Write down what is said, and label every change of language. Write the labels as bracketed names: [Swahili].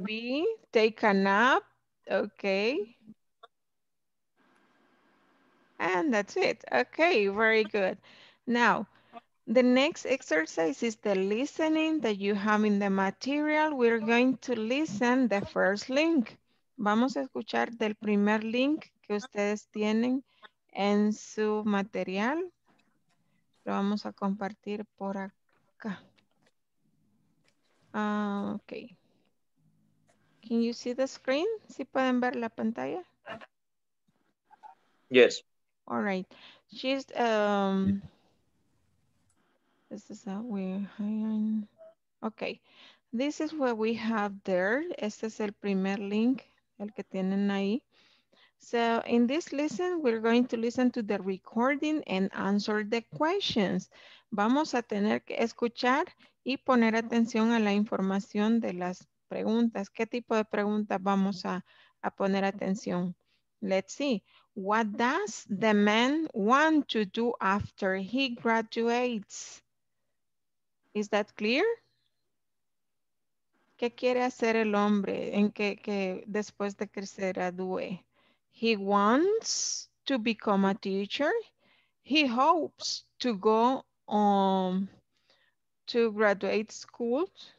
[English] Watch TV, take a nap. Okay. And that's it. Okay, very good. Now, the next exercise is the listening that you have in the material. We're going to listen the first link. [Spanish] Vamos a escuchar del primer link que ustedes tienen en su material. Lo vamos a compartir por acá. [English] Okay. Can you see the screen? [Spanish] ¿Sí pueden ver la pantalla? [English] Yes. All right. She's this is a weird. Okay. This is what we have there. [Spanish] Este es el primer link, el que tienen ahí. [English] So in this lesson, we're going to listen to the recording and answer the questions. [Spanish] Vamos a tener que escuchar y poner atención a la información de las preguntas. ¿Qué tipo de preguntas vamos a poner atención? [English] Let's see. What does the man want to do after he graduates? Is that clear? [Spanish] ¿Qué quiere hacer el hombre en que después de que se gradúe? [English] He wants to become a teacher. He hopes to go to graduate school.